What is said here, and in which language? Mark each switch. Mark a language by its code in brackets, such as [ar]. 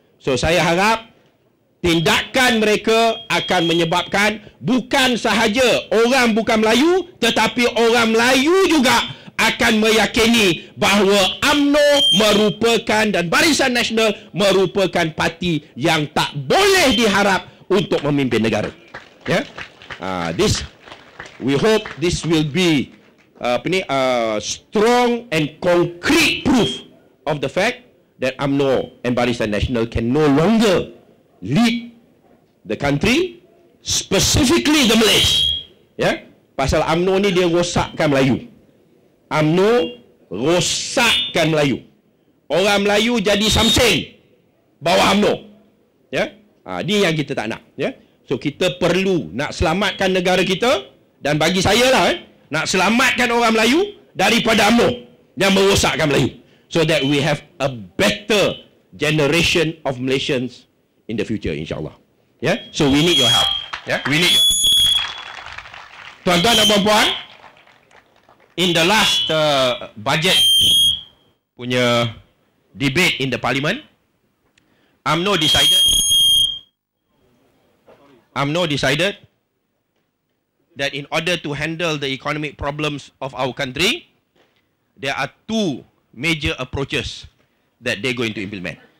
[ms] So saya harap tindakan mereka akan menyebabkan bukan sahaja orang bukan Melayu, tetapi orang Melayu juga akan meyakini bahawa UMNO merupakan dan Barisan Nasional merupakan parti yang tak boleh diharap untuk memimpin negara. [en] Yeah? This we hope this will be strong and concrete proof of the fact that UMNO and Barisan Nasional can no longer lead the country, specifically the Malays. [ms] Yeah? Pasal UMNO ni dia rosakkan Melayu. UMNO rosakkan Melayu. Orang Melayu jadi something bawah UMNO. Yeah? Ini yang kita tak nak. Yeah? So kita perlu nak selamatkan negara kita, dan bagi saya lah, nak selamatkan orang Melayu daripada UMNO yang merosakkan Melayu. [en] So that we have a better generation of Malaysians in the future, insyaAllah. Yeah? So we need your help. Yeah? We need your... [ms] Tuan-tuan dan puan-puan, [en] in the last budget punya debate in the parliament, UMNO decided that in order to handle the economic problems of our country, there are two major approaches that they're going to implement.